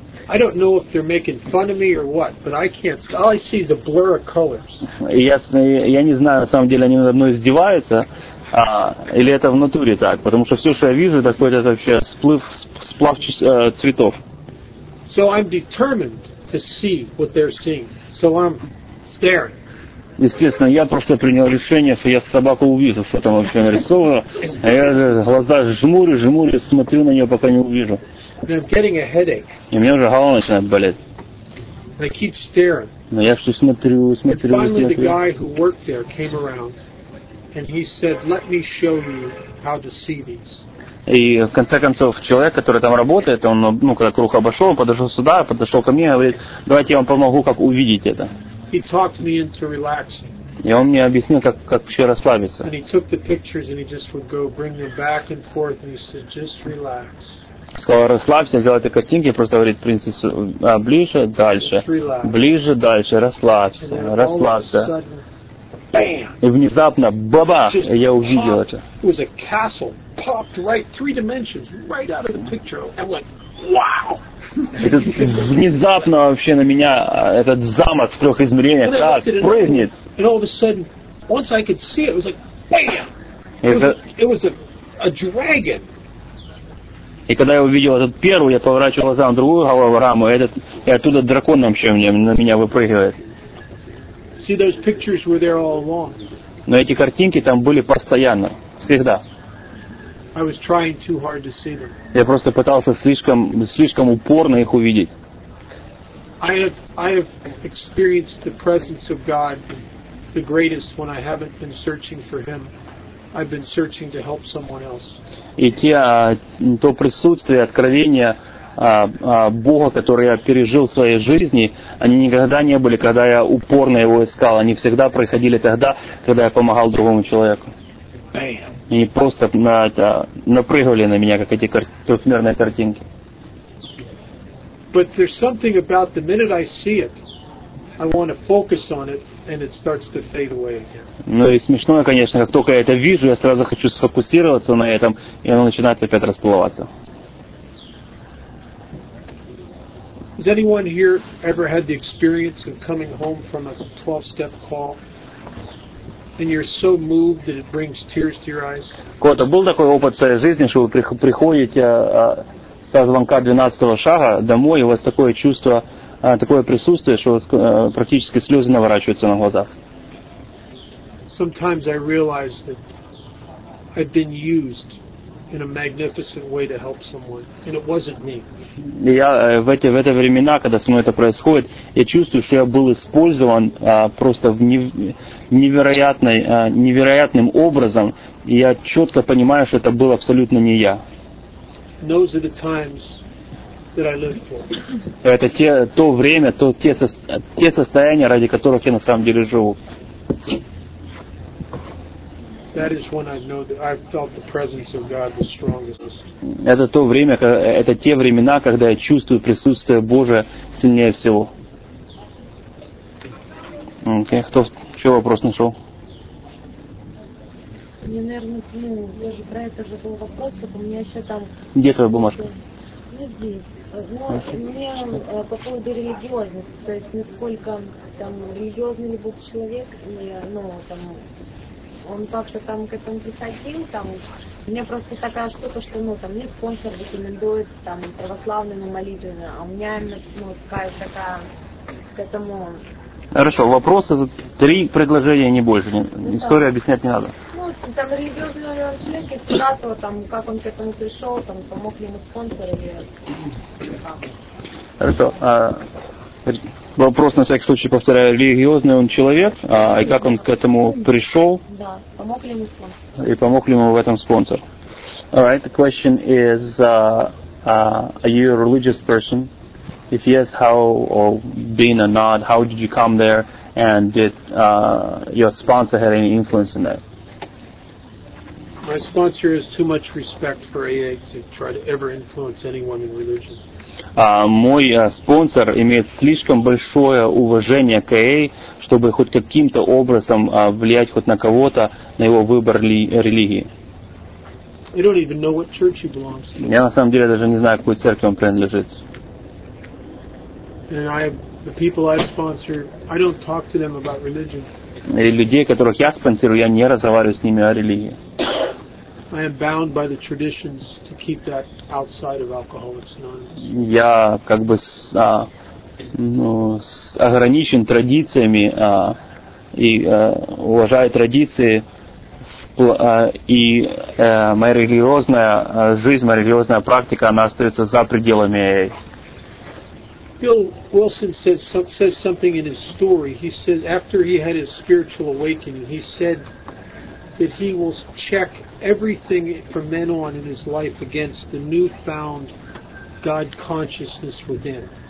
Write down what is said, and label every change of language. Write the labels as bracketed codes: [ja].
[en] I don't know if they're making fun of me or what, but I can't. All I see is a blur of colors. [ru] Я не знаю, на самом деле они надо мной издеваются, или это в натуре так, потому что все, что я вижу, это какой-то вообще сплав цветов. [en] So I'm determined to see what they're seeing. So I'm staring. [ru] Естественно, я просто принял решение, что я собаку увижу, что там вообще нарисовано. А я глаза жмурю, смотрю на нее, пока не увижу. [en] And I'm getting a headache. [ru] И у меня уже голова начинает болеть. [en] I keep staring. [ru] Но я все смотрю. [en] And finally the guy who worked there came around and he said, let me show you how to see these. [ru] И в конце концов, человек, который там работает, он, ну, когда круг обошел, подошел ко мне и говорит, давайте я вам помогу, как увидеть это. [en] He talked me into relaxing. [ru] И он мне объяснил, как вообще расслабиться. [en] And he took the pictures and he just would go bring them back and forth and he said, just relax. [ru] Сказал, расслабься, взял эти картинки, просто говорит, принцесса, ближе, дальше, ближе, дальше, расслабься, расслабься. И внезапно, баба, я увидел это. [en] It was a castle, popped right, three dimensions, right out of the picture. I'm like, wow! [ru] И тут внезапно вообще на меня этот замок в трех измерениях, так, прыгнет. [en] And all of a sudden, once I could see it, it was like, bam! It was a dragon. [ru] И когда я увидел этот первый, я поворачиваю глаза на другую голограмму, и оттуда дракон вообще на меня выпрыгивает. [en] See, those pictures were there all along. [ru] Но эти картинки там были постоянно, всегда. [en] I was trying too hard to see them. [ru] Я просто пытался слишком упорно их увидеть. [en] I have experienced the presence of God the greatest when I haven't been searching for Him. I've been searching to help someone else. [ru] И то присутствие, откровение Бога, которое я пережил в своей жизни, они никогда не были, когда я упорно его искал. Они всегда проходили тогда, когда я помогал другому человеку. [en] Bam. [ru] И они просто напрыгивали на меня, как эти трехмерные картинки. [en] But there's something about the minute I see it, I want to focus on it. And it starts to fade away again. [ru] Ну и смешно, конечно, как только я это вижу, я сразу хочу сфокусироваться на этом, и оно начинает опять расплываться. [en] Has anyone here ever had the experience of coming home from a 12-step call, and you're so moved that it brings tears to your eyes? [ru] Кто-то был такой опыт в своей жизни, что вы приходите со звонка 12-го шага домой, и у вас такое чувство? Такое присутствие, что практически слезы наворачиваются на глазах. [en] Sometimes I realize that I've been used in a magnificent way to help someone, and it wasn't me. [ru] Я в это времена, когда со мной это происходит, я чувствую, что я был использован просто невероятным образом, и я четко понимаю, что это был абсолютно не я. [en] Those are the times that I lived for. [ru] Это то время, те состояния, ради которых я на самом деле живу. [en] That is when I know that I felt the presence of God the strongest. [ru] Это то время, это те времена, когда я чувствую присутствие Божие сильнее всего. Окей, кто еще вопрос нашел? Мне, наверное, я же про это забыл вопрос, чтобы у меня еще там. Где твоя бумажка? Ну, здесь. Но мне по поводу религиозности, то есть насколько там религиозный ли был человек и, ну, там. Он как-то там к этому приходил, там, у меня просто такая штука, что, ну, там, мне спонсор рекомендует, там, православными молитвами, а у меня именно, ну, какая-то такая, к этому... Хорошо, вопросы, три предложения, не больше, ну, историю объяснять не надо. Ну, там, религиозный человек, из куда-то, там, как он к этому пришел, там, помог ли ему спонсор или... Хорошо, вопрос, на всякий случай, повторяю, религиозный он человек, и как он к этому пришел? Да, помог ли ему спонсор? И помог ли ему в этом спонсор? [en] Alright, the question is, are you a religious person? If yes, how, or being or not, how did you come there, and did your sponsor have any influence in that? My sponsor has too much respect for AA to try to ever influence anyone in religion. [ru] Мой спонсор имеет слишком большое уважение к АА, чтобы хоть каким-то образом влиять хоть на кого-то, на его выбор религии. [en] You don't even know what church he belongs to. [ru] Я на самом деле даже не знаю, какой церкви он принадлежит. [en] And I, the people I sponsor, I don't talk to them about religion. [ru] И людей, которых я спонсирую, я не разговариваю с ними о религии. [en] I am bound by the traditions to keep that outside of Alcoholics Anonymous. [ru] Я как бы ограничен традициями и уважаю традиции, и моя религиозная жизнь, моя религиозная практика, она остается за пределами. [en] Bill Wilson says something in his story. He says after he had his spiritual awakening, he said that he will check everything from then on in his life against the newfound God consciousness within.